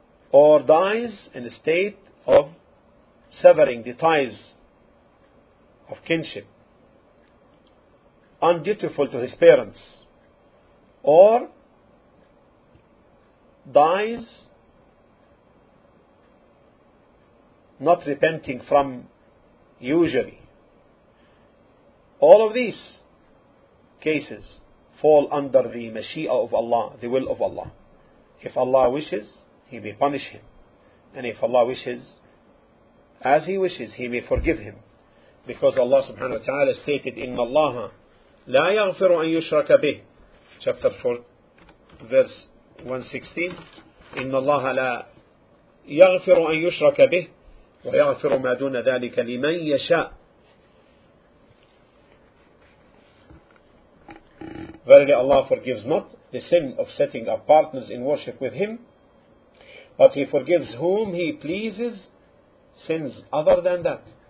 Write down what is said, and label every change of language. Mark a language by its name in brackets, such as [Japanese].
[English] or dies in a state of severing the ties of kinship, undutiful to his parents, or dies not repenting from usury. All of these cases fall under the mashi'a of Allah, the will of Allah. If Allah wishes, he may punish him. And if Allah wishes, as he wishes, he may forgive him. Because Allah subhanahu wa ta'ala stated, [Arabic] إِنَّ اللَّهَ لَا يَغْفِرُ أَن يُشْرَكَ بِهِ, [English] chapter 4, verse 116, [Arabic] إِنَّ اللَّهَ لَا يَغْفِرُ أَن يُشْرَكَ بِهِ وَيَغْفِرُ مَا دُونَ ذَلِكَ لِمَنْ يَشَاءُ. [English] Verily Allah forgives not the sin of setting up partners in worship with him, but he forgives whom he pleases sins other than that.